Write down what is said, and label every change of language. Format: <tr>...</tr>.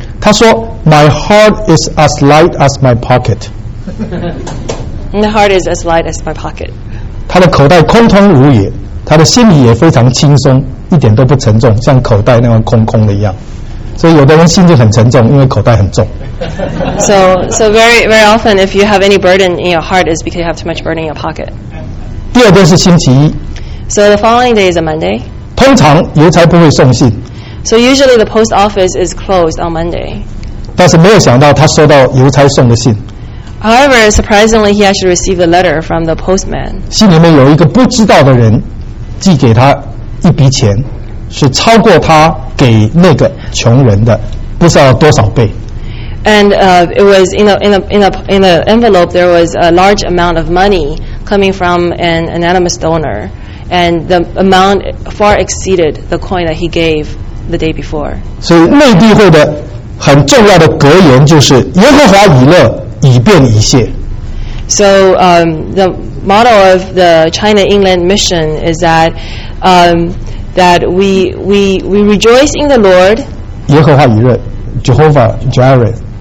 <zh>他说</zh> <en>"My heart is as light as my pocket." My heart is as light as my pocket.</en> <zh>他的口袋空空如也，他的心里也非常轻松，一点都不沉重，像口袋那样空空的一样。所以有的人心就很沉重，因为口袋很重。</zh> <en>So very very often, if you have any burden in your heart, is because you have too much burden in your pocket.</en> <zh>第二天是星期一。</zh> <en>So the following day is a Monday.</en> <zh>通常邮差不会送信。</zh> <en>So usually the post office is closed on Monday.</en> <zh>但是没有想到他收到邮差送的信。</zh> <en>However, surprisingly, he actually received a letter from the postman.</en> <zh>信里面有一个不知道的人寄给他一笔钱，是超过他给那个穷人的不知道多少倍。</zh> <en>And it was in the envelope, there was a large amount of money coming from an anonymous donor, and the amount far exceeded the coin that he gave the day before.</en> <zh>所以内地会的很重要的格言就是耶和华以勒以便以谢。</zh> <en>So the motto of the China Inland Mission is that that we rejoice in the Lord.</en> <zh>耶和华以勒 Jehovah Jireh.</zh>